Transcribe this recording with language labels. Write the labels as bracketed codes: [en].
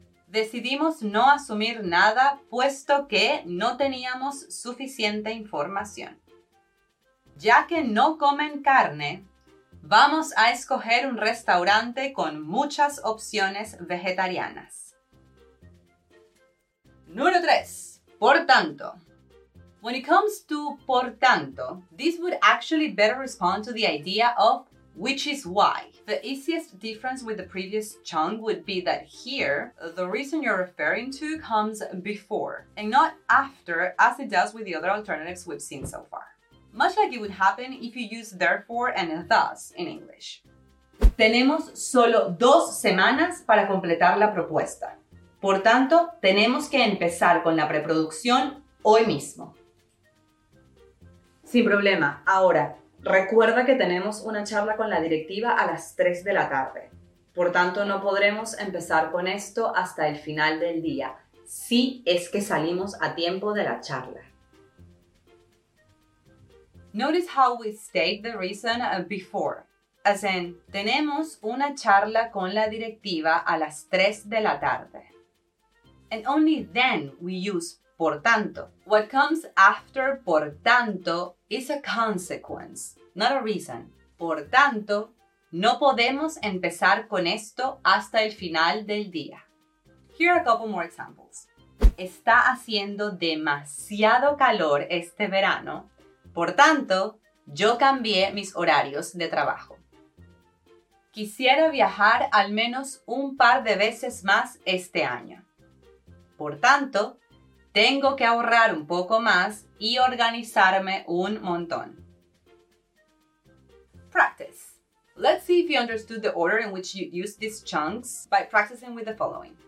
[es] Decidimos no asumir nada puesto que no teníamos suficiente información. Ya que no comen carne, vamos a escoger un restaurante con muchas opciones vegetarianas. Número 3. Por tanto. [en] When it comes to por tanto, this would actually better respond to the idea of which is why. The easiest difference with the previous chunk would be that here, the reason you're referring to comes before and not after, as it does with the other alternatives we've seen so far. Much like it would happen if you use therefore and thus in English. [es] Tenemos solo 2 semanas para completar la propuesta. Por tanto, tenemos que empezar con la preproducción hoy mismo. Sin problema. Ahora, recuerda que tenemos una charla con la directiva a las 3 de la tarde. Por tanto, no podremos empezar con esto hasta el final del día, si es que salimos a tiempo de la charla. [en] Notice how we state the reason before, as in, tenemos una charla con la directiva a las 3 de la tarde. And only then we use por tanto. What comes after por tanto is a consequence, not a reason. [es] Por tanto, no podemos empezar con esto hasta el final del día. [en] Here are a couple more examples. Está haciendo demasiado calor este verano. [es] Por tanto, yo cambié mis horarios de trabajo. Quisiera viajar al menos un par de veces más este año. Por tanto, tengo que ahorrar un poco más y organizarme un montón. [en] Practice. Let's see if you understood the order in which you use these chunks by practicing with the following.